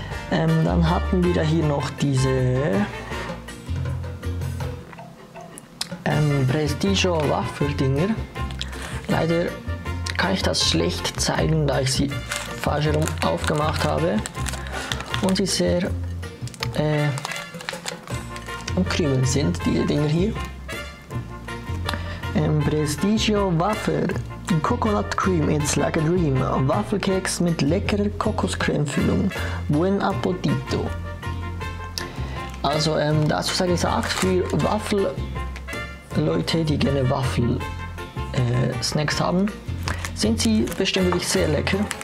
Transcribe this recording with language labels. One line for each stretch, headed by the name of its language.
German: Dann hatten wir da hier noch diese Prestigio Waffeldinger. Leider kann ich das schlecht zeigen, da ich sie falsch herum aufgemacht habe und sie sehr am Krümeln sind, diese Dinger hier.
English: Prestigio Waffel Coconut Cream, it's like a dream.
German: Waffelkeks mit leckerer Kokoscreme-Füllung.
Spanish: Buen Appetito.
German: Also, dazu sei gesagt, für Waffel-Leute, die gerne Waffel-Snacks haben, sind sie bestimmt wirklich sehr lecker.